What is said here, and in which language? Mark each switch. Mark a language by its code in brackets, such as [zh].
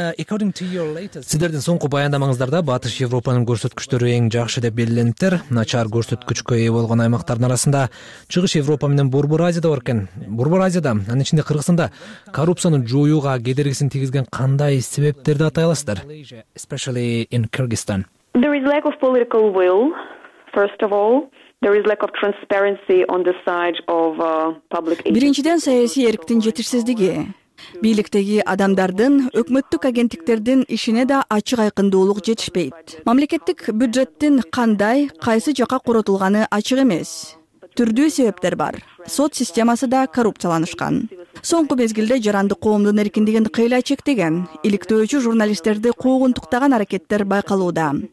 [ky] Сиздердин соңку баяндамаңыздарда Батыш Европанын көрсөткүчтөрү эң жакшы деп белгилендиптер, начар көрсөткүчкө ээ болгон аймактардын арасында Чыгыш Европа менен Борбор Азияда бар экен. Борбор Азияда, анын ичинде Кыргызстанда коррупцияны жоюуга кедергисин тийгизген кандай себептерди атай аласыздар? [en] Especially in Kyrgyzstan. There is lack of political will, first of all. There is lack of transparency on the side of public. [ky] Биринчиден саясий эрктин жетишсиздиги. Бийликтеги адамдардын, өкмөттүк агенттиктердин ишине да ачык айкындуулук жетишпейт. Мамлекеттик бюджеттин кандай, кайсы жака коротулганы ачык эмес. Түрдүү себептер бар. Сот системасы да коррупцияланышкан. Соңку мезгилде жарандык коомдун эркиндигин кыйла чектеген, иликтөөчү журналисттерди куугунтуктаган аракеттер байкалууда.